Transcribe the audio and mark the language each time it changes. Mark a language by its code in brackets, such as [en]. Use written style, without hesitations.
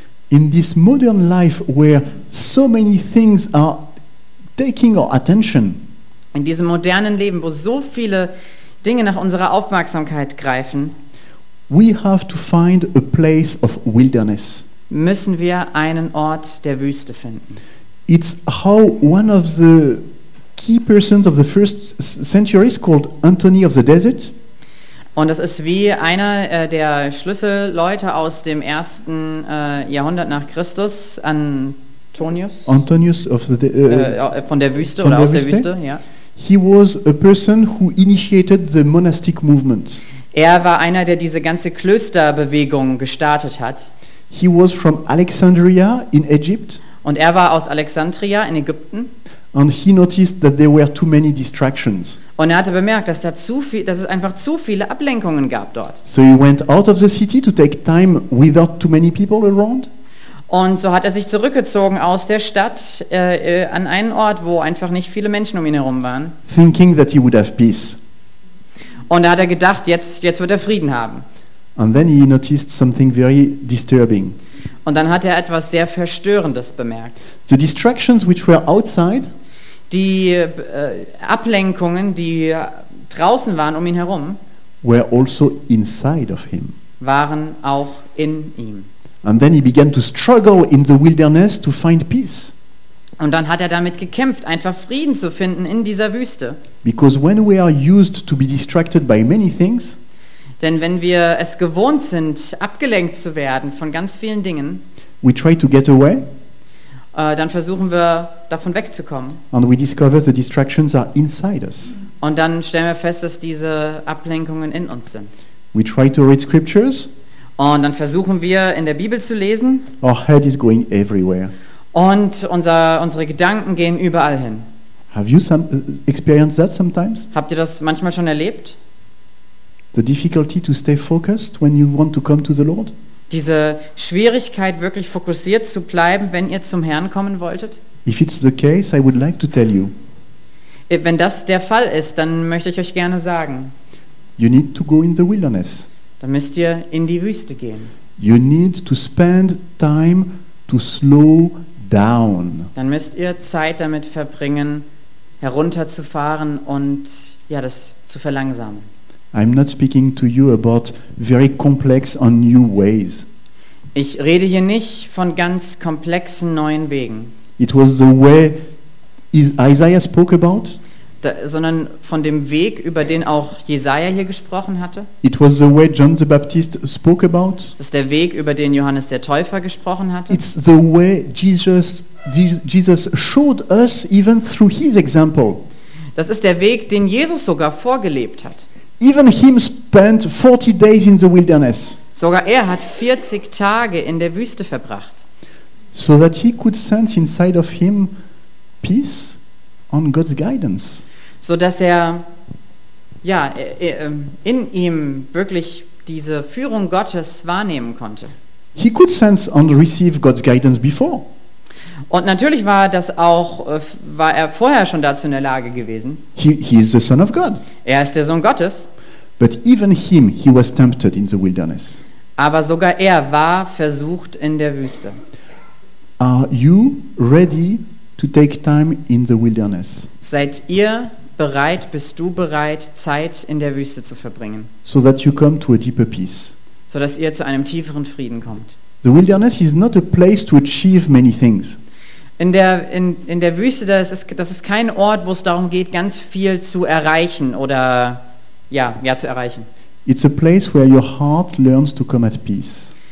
[en] In this modern life where so many things are taking our attention. [de] In diesem modernen Leben, wo so viele Dinge nach unserer Aufmerksamkeit greifen. [en] We have to find a place of wilderness. [de] Müssen wir einen Ort der Wüste finden. [en] It's how one of the key persons of the first centuries called Anthony of the Desert. [de] Und das ist wie einer der Schlüsselleute aus dem ersten Jahrhundert nach Christus, Antonius [en] of the [de] von der Wüste von oder der aus Wüste. Der Wüste, ja. [en] He was a person who initiated the monastic movement. [de] Er war einer, der diese ganze Klösterbewegung gestartet hat. [en] He was from Alexandria in Egypt. [de] Und er war aus Alexandria in Ägypten. [en] And he noticed that there were too many distractions. [de] Und er hatte bemerkt, dass da zu viel, dass es einfach zu viele Ablenkungen gab dort. [en] So he went out of the city to take time without too many people around. [de] Und so hat er sich zurückgezogen aus der Stadt an einen Ort, wo einfach nicht viele Menschen um ihn herum waren. [en] Thinking that he would have peace. [de] Und da hat er gedacht, jetzt wird er Frieden haben. [en] And then he noticed something very disturbing. [de] Und dann hat er etwas sehr Verstörendes bemerkt. [en] The distractions which were outside, [de] die Ablenkungen, die draußen waren um ihn herum, [en] were also inside of him. [de] Waren auch in ihm. [en] And then he began to struggle in the wilderness to find peace. [de] Und dann hat er damit gekämpft, einfach Frieden zu finden in dieser Wüste. [en] Because when we are used to be distracted by many things, [de] denn wenn wir es gewohnt sind, abgelenkt zu werden von ganz vielen Dingen, [en] we try to get away, [de] dann versuchen wir davon wegzukommen. [en] And we discover the distractions are inside us. [de] Und dann stellen wir fest, dass diese Ablenkungen in uns sind. [en] We try to read scriptures. [de] Und dann versuchen wir, in der Bibel zu lesen. [en] Our head is going everywhere. [de] Und unsere Gedanken gehen überall hin. [en] Have you experienced that sometimes? [de] Habt ihr das manchmal schon erlebt? [en] The difficulty to stay focused when you want to come to the Lord? [de] Diese Schwierigkeit, wirklich fokussiert zu bleiben, wenn ihr zum Herrn kommen wolltet? [en] If it's the case, I would like to tell you. [de] Wenn das der Fall ist, dann möchte ich euch gerne sagen. [en] You need to go in the wilderness. [de] Dann müsst ihr in die Wüste gehen. [en] You need to spend time to slow down. [de] Dann müsst ihr Zeit damit verbringen, herunterzufahren und ja, das zu verlangsamen. [en] I'm not speaking to you about very complex and new ways. [de] Ich rede hier nicht von ganz komplexen neuen Wegen. [en] It was the way Isaiah spoke about. [de] Sondern von dem Weg, über den auch Jesaja hier gesprochen hatte. [en] It was the way John the Baptist spoke about. [de] Das ist der Weg, über den Johannes der Täufer gesprochen hatte. [en] It's the way Jesus showed us even through his example. [de] Das ist der Weg, den Jesus sogar vorgelebt hat. [en] Even him spent 40 days in the wilderness. [de] Sogar er hat 40 Tage in der Wüste verbracht. [en] So that he could sense inside of him peace on God's guidance. [de] So dass er ja in ihm wirklich diese Führung Gottes wahrnehmen konnte. [en] He could sense and receive God's guidance before. [de] Und natürlich war das auch war er vorher schon dazu in der Lage gewesen. [en] He is the son of God. [de] Er ist der Sohn Gottes. [en] But even him he was tempted in the wilderness. [de] Aber sogar er war versucht in der Wüste. [en] Are you ready to take time in the wilderness? [de] Seid ihr bereit, bist du bereit, Zeit in der Wüste zu verbringen? [en] So that you come to a deeper peace. [de] So dass ihr zu einem tieferen Frieden kommt. [en] The wilderness is not a place to achieve many things. [de] In der Wüste, das ist kein Ort, wo es darum geht, ganz viel zu erreichen oder ja zu erreichen. [en] It's a place where your heart learns to come at peace.